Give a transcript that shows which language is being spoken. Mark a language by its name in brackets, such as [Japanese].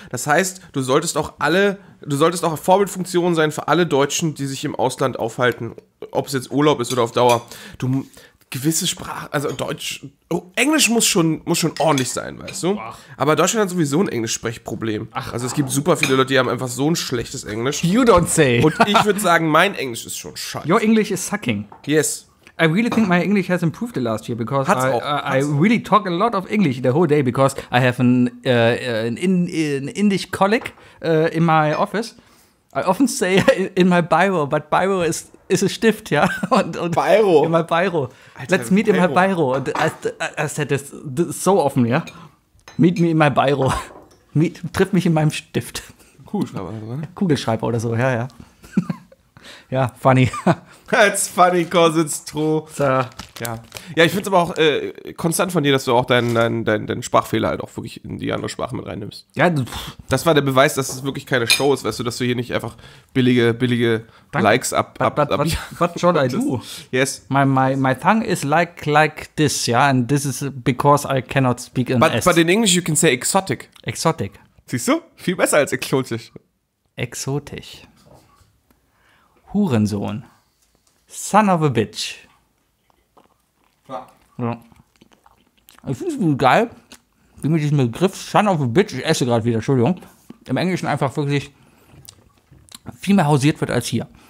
[German] Das heißt, du solltest auch eine Vorbildfunktion sein für alle Deutschen, die sich im Ausland aufhalten, ob es jetzt Urlaub ist oder auf Dauer. Du gewisse Sprache, also Deutsch, Englisch muss schon ordentlich sein, weißt du? Aber Deutschland hat sowieso ein Englischsprechproblem. Also es gibt super viele Leute, die haben einfach so ein schlechtes Englisch. [English] You don't say. [German] Und ich würde sagen, mein Englisch ist schon scheiße. [English] Your English is sucking. Yes. I really think my English has improved the last year because really talk a lot of English the whole day because I have an Indian colleague in my office. I often say in my bio, but bio [German] ist ein Stift, ja. Und Bayro. Immer Bayro. Alter, [English] let's meet in my Bayro. Und I said this so often, ja. Meet me in my Bayro. [German] Triff mich in meinem Stift. Kugelschreiber oder so, ja. [English] Ja, funny. It's funny, cause it's true. So. [German] Ja. Ja, ich find's aber auch konstant von dir, dass du auch deinen Sprachfehler halt auch wirklich in die andere Sprache mit reinnimmst. Ja. Das war der Beweis, dass es wirklich keine Show ist, weißt du, dass du hier nicht einfach billige Dank. [English] Likes What should I do? Yes. My tongue is like this, ja, yeah? And this is because I cannot speak in S. But in English you can say exotic. Exotic. [German] Siehst du? Viel besser als exotisch. Exotisch. Hurensohn. [English] Son of a bitch. Ja. [German] Ich finde es geil, wie mit diesem Begriff [English] Son of a bitch, [German] ich esse gerade wieder, Entschuldigung, im Englischen einfach wirklich viel mehr hausiert wird als hier.